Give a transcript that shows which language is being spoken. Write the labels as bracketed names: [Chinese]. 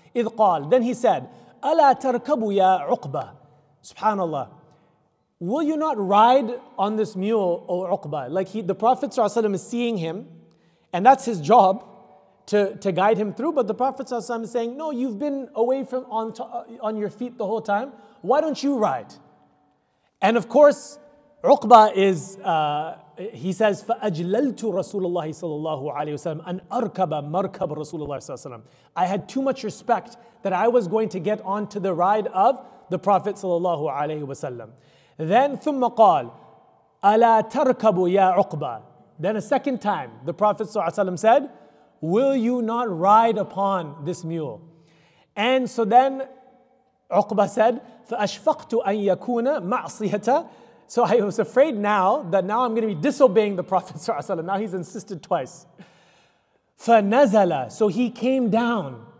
[Arabic] إذ قال, [English] then he said, [Arabic] ألا تركب يا عقبة, [English] subhanAllah, will you not ride on this mule, O Uqba? Like the Prophet ﷺ is seeing him, and that's his job to guide him through, but the Prophet ﷺ is saying, no, you've been away from on your feet the whole time, why don't you ride? And of course, Uqba is, he says, [Arabic] فَأَجْلَلْتُ رَسُولَ اللَّهِ صَلَى اللَّهُ عَلَيْهِ وَسَلَمْ أَنْ أَرْكَبَ مَرْكَبَ رَسُولَ اللَّهِ صَلَى اللَّهُ عَلَيْهِ وَسَلَمْ. [English] I had too much respect that I was going to get onto the ride of the Prophet صلى الله عليه وسلم. Then, [Arabic] ثُمَّ قَالْ أَلَا تَرْكَبُ يَا عُقْبَى. [English] Then a second time, the Prophet صلى الله عليه وسلم said, will you not ride upon this mule? And so then Uqba said, [Arabic] فَأَشْفَقْتُ أَنْ يَكُونَ مَعْصِيَةَ. [English] So I was afraid now that now I'm going to be disobeying the Prophet ﷺ. Now he's insisted twice. فَنَزَلَ. So he came down.